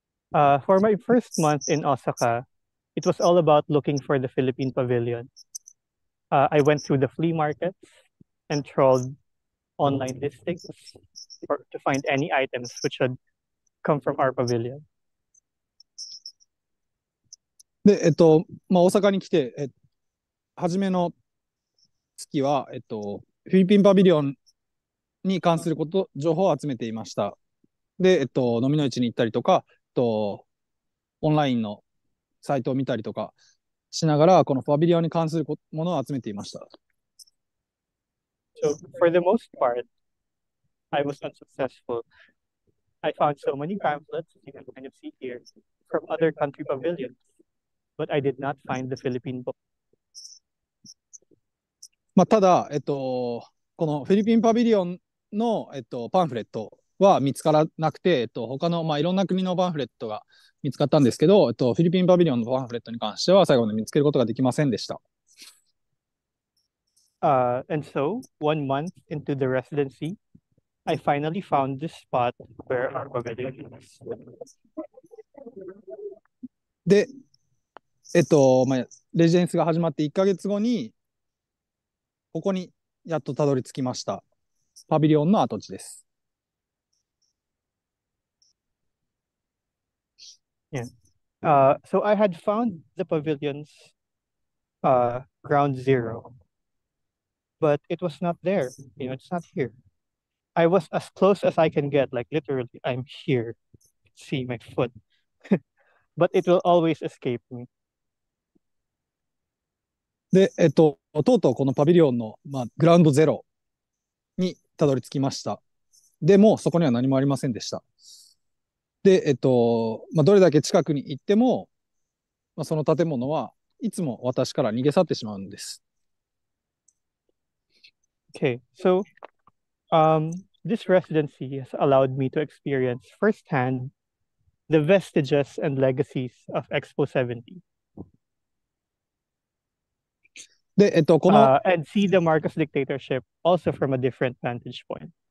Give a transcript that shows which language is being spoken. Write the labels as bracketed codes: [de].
[en] For my first month in Osaka, it was all about looking for the Philippine Pavilion. I went through the flea markets and trolled online listings to find any items which had come from our pavilion. [ja] で、まあ、大阪に来て、初めの月は、フィリピンパビリオンに関すること情報を集めていました。で、飲みの市に行ったりとか、オンラインのサイトを見たりとかしながら、このパビリオンに関するものを集めていました。 [en] So, for the most part, I was unsuccessful. I found so many pamphlets, you can kind of see here, from other country pavilions, but I did not find the Philippine book. [ja] まあ、ただ、このフィリピンパビリオンの、パンフレットは見つからなくて、他の、まあ、いろんな国のパンフレットが見つかったんですけど、フィリピンパビリオンのパンフレットに関しては最後まで見つけることができませんでした。 [en] And so, 1 month into the residency, I finally found this spot where our pavilion is. [ja] で、まあ、レジデンスが始まって1ヶ月後に、ここにやっとたどり着きました。パビリオンの跡地です。 [en] Yeah. So I had found the pavilions, ground zero, but it was not there. You know, it's not here. I was as close as I can get, like literally, I'm here. See my foot. But it will always escape me. [ja] で、とうとうこのパビリオンの、まあ、グラウンドゼロにたどり着きました。でも、そこには何もありませんでした。で、まあ、どれだけ近くに行っても、まあ、その建物はいつも私から逃げ去ってしまうんです。 [en] Okay, so, this residency has allowed me to experience firsthand the vestiges and legacies of Expo 70. [ja] で、この、 [en] and see the Marcos dictatorship also from a different vantage point.